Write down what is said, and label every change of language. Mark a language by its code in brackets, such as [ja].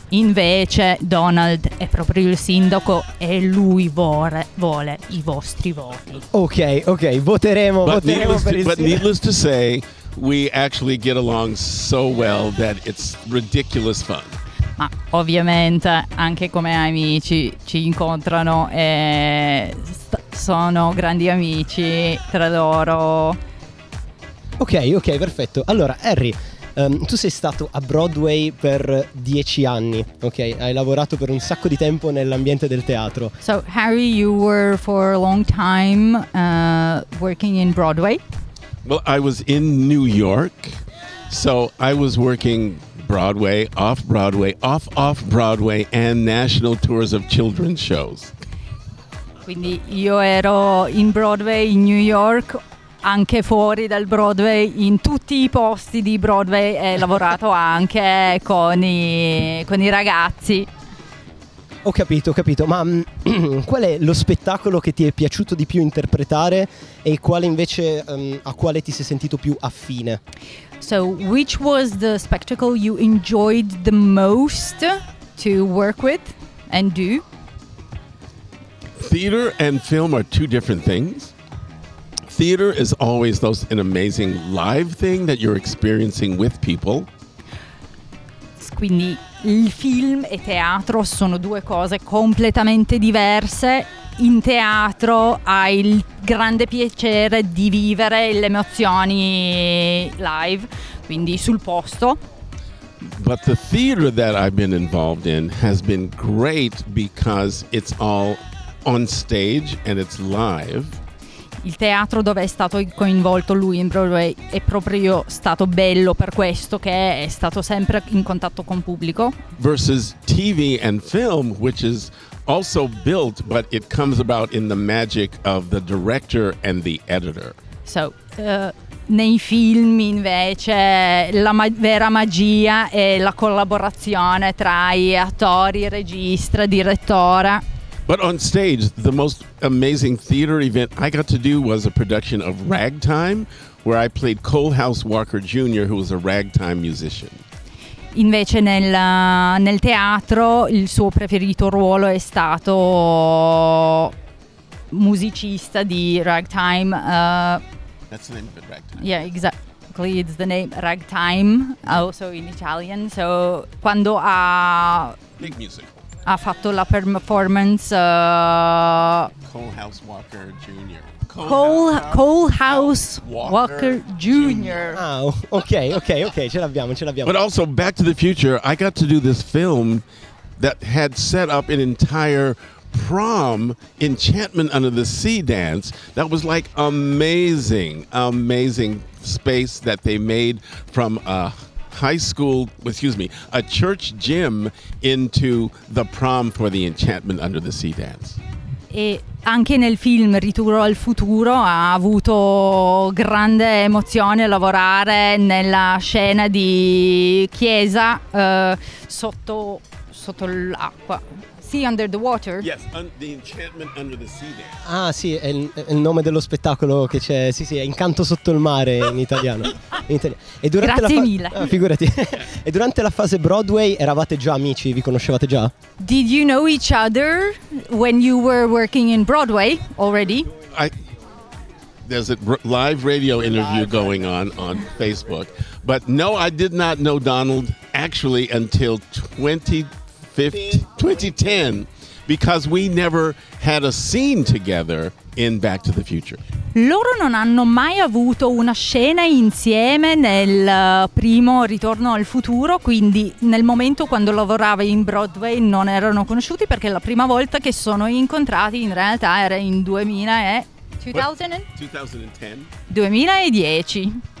[it] Invece Donald è proprio il sindaco e lui vuole i vostri voti. Ok, voteremo per il sindaco. [en] But needless to say, we actually get along so well that it's ridiculous fun. [it] Ma ovviamente anche come amici ci incontrano e sono grandi amici tra loro. Ok, perfetto. Allora, Harry, tu sei stato a Broadway per 10 anni, ok? Hai lavorato per un sacco di tempo nell'ambiente del teatro. [en] So, Harry, you were for a long time working in Broadway? Well, I was in New York, so I was working Broadway, off-Broadway, off-off-Broadway and national tours of children's shows. [it] Quindi io ero in Broadway, in New York, anche fuori dal Broadway, in tutti i posti di Broadway, e lavorato anche con i ragazzi. Ho capito, ma qual è lo spettacolo che ti è piaciuto di più interpretare e quale invece a quale ti sei sentito più affine? [en] So, which was the spectacle you enjoyed the most to work with and do? Theater and film are two different things. Theater is always an amazing live thing that you're experiencing with people. [it] Quindi il film e teatro sono due cose completamente diverse. In teatro hai il grande piacere di vivere le emozioni live, quindi sul posto. [en] But the theater that I've been involved in has been great because it's all on stage and it's live. [it] Il teatro dove è stato coinvolto lui in Broadway è proprio stato bello per questo, che è stato sempre in contatto con pubblico. [en] Versus TV and film, which is also built, but it comes about in the magic of the director and the editor. [it] So, nei film invece la vera magia è la collaborazione tra gli attori, regista, direttore. [en] But on stage, the most amazing theater event I got to do was a production of Ragtime, where I played Cole House Walker Jr., who was a ragtime musician. [it] Invece nel teatro il suo preferito ruolo è stato musicista di Ragtime. [en] That's the name of it, Ragtime. Yeah, exactly. It's the name Ragtime, also in Italian. [it] So quando ha [en] big musical. [it] Ha fatto la performance [en] Cole House Walker Jr. Cole House Walker Jr. [it] Oh, okay, ce l'abbiamo. [en] But also Back to the Future, I got to do this film that had set up an entire prom Enchantment Under the Sea dance that was like amazing space that they made from a church gym into the prom for the Enchantment Under the Sea dance. [it] E anche nel film Ritorno al Futuro ha avuto grande emozione lavorare nella scena di chiesa sotto l'acqua. [en] Sea Under the Water. Yes, the Enchantment Under the Sea dance. [it] Ah sì, è il nome dello spettacolo che c'è. Sì, è Incanto sotto il mare in italiano. E durante grazie mille. Figurati. E durante la fase Broadway eravate già amici, vi conoscevate già? [en] Did you know each other when you were working in Broadway already? There's a live radio interview going on Facebook. But no, I did not know Donald actually until 2010, because we never had a scene together in Back to the Future. [it] Loro non hanno mai avuto una scena insieme nel primo Ritorno al Futuro, quindi nel momento quando lavorava in Broadway non erano conosciuti, perché la prima volta che sono incontrati in realtà era in 2010.